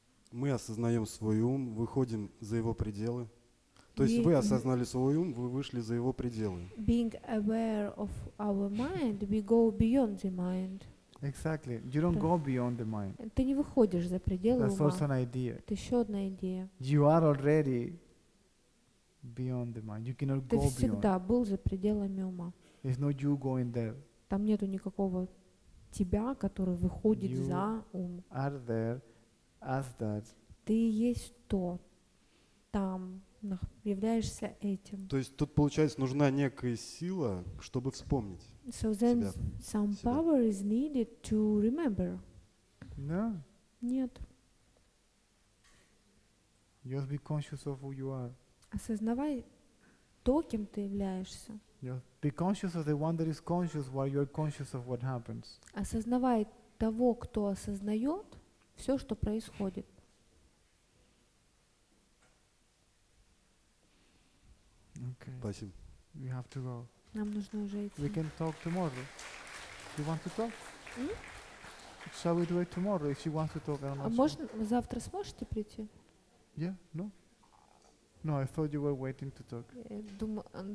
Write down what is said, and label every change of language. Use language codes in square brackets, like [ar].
[ru] Мы осознаем свой ум, выходим за его пределы. То есть вы осознали свой ум, вы вышли за его пределы. [en] Being aware of our mind, we go beyond the mind. Exactly. You don't go beyond the mind. [ru] Ты не выходишь за пределы ума. [en] That's also an idea. [ru] Это еще одна идея. [en] You are already beyond the mind. You cannot go beyond. [ru] Ты всегда был за пределами ума. [en] There's no you going there. [ru] Там нету никакого тебя, который выходит за ум. [en] You are there as that. [ru] Ты есть то, там. Являешься этим. То есть тут получается нужна некая сила, чтобы вспомнить. [en] So then [ru] себя. [en] Some [ru] себя. [en] Power is needed to remember. No. [ru] Нет. [en] Just be conscious of who you are. [ru] Осознавай то, кем ты являешься. [en] Just be conscious of the one that is conscious while you are conscious of what happens. [ru] Осознавай того, кто осознает все, что происходит. [en] Okay. [ru] Спасибо. [en] We have to go. [ru] Нам нужно уже идти. [en] We can talk tomorrow. You want to talk? Shall we do it tomorrow if you want to talk? [ru] А можно завтра сможете прийти? [en] Yeah, no. No, I thought you were waiting to talk.